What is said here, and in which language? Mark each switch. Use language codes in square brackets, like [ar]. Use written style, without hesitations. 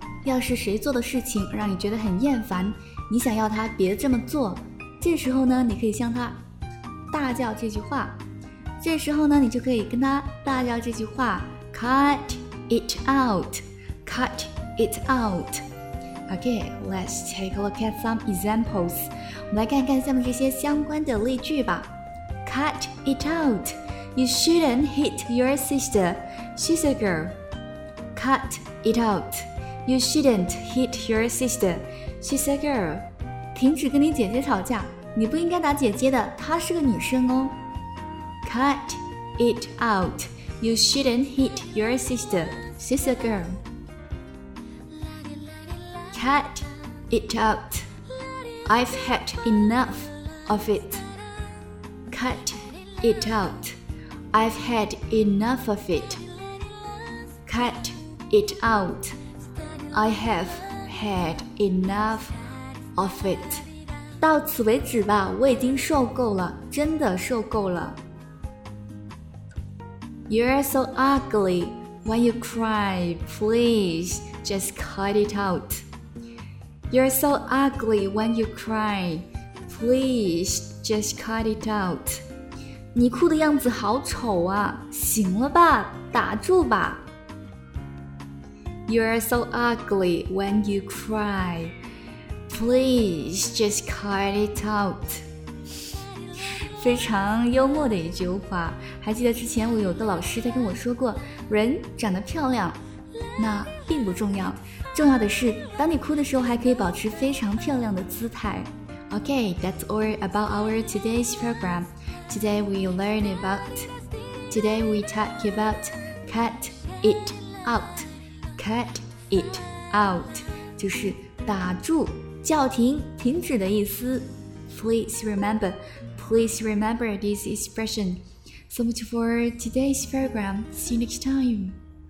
[zh] 要是谁做的事情让你觉得很厌烦，你想要他别这么做，这时候呢，你可以向他大叫这句话。这时候呢，你就可以跟他大叫这句话 , [en] cut it out, cut it out. Okay, let's take a look at some examples. [zh] 我们来看看下面这些相关的例句吧。 [en] Cut it out. You shouldn't hit your sister. She's a girl. Cut it out. You shouldn't hit your sister. She's a girl. [zh] 停止跟你姐姐吵架，你不应该打姐姐的，她是个女生哦。 [en] Cut it out. You shouldn't hit your sister. She's a girl. Cut it out. I've had enough of it. Cut it out. I've had enough of it. Cut it out. I have had enough of it. [zh] 到此为止吧，我已经受够了，真的受够了。 [en] You're so ugly. When you cry, please just cut it out. You're so ugly when you cry. Please just cut it out. [zh] 你哭的样子好丑啊，行了吧，打住吧。 [en] You're so ugly when you cry. Please just cut it out. [zh] 非常幽默的一句话。还记得之前我有个老师在跟我说过，人长得漂亮，那并不重要。重要的是，当你哭的时候还可以保持非常漂亮的姿态。 [en] Okay, that's all about our today's program. Today we learn about, today we talk about cut it out. Cut it out [zh] 就是打住、叫停、停止的意思。 [en] Please remember this expression. So much for today's program. See you next time.